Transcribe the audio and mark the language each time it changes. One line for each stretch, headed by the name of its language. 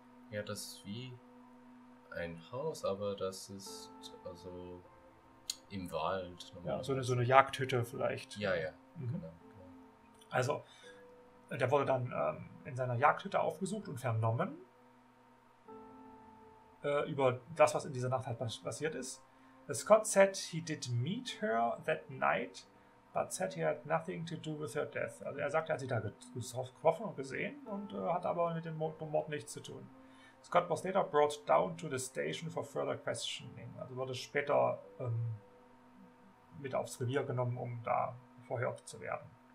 German: Ja, das ist wie ein Haus, aber das ist also im Wald. Ja, so eine Jagdhütte vielleicht. Ja, genau. Also, der wurde dann in seiner Jagdhütte aufgesucht und vernommen. Über das, was in dieser Nacht halt passiert ist.
English: Scott said he did meet her that night, but said he had nothing to do with her death.
German: Also er sagte, er hat sie da getroffen und gesehen und hat aber mit dem Mord nichts zu tun.
English: Scott was later brought down to the station for further questioning.
German: Also wurde später mit aufs Revier genommen, um da verhört zu werden.